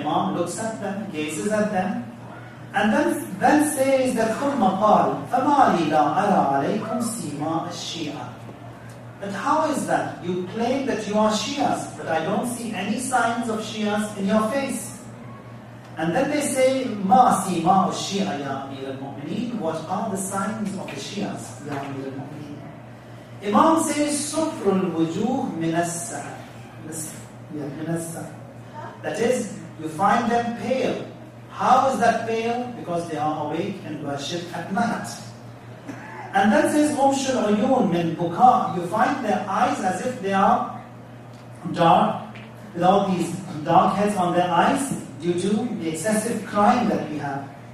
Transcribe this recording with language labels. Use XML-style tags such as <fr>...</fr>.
<en>Imam looks at them, gazes at them, and then says that</en> <ar>ثم قال فما لي لا أرى عليكم سيما الشيعة.</ar> <en>But how is that? You claim that you are Shias, but I don't see any signs of Shias in your face. And then they say</en> <ar>ما سيما الشيعة يا أمير المؤمنين.</ar> <en>What are the signs of the Shias,</en> <ar>يا أمير المؤمنين?</ar> <en>Imam says</en> <ar>صفر الوجوه من السعر. من السعر.</ar> <en>That is, you find them pale. How is that pale? Because they are awake and worship at night. And then says,</en> <ar>Umshul Ayun min Bukha.</ar> <en>You find their eyes as if they are dark, with all these dark heads on their eyes due to the excessive crying that we have.</en>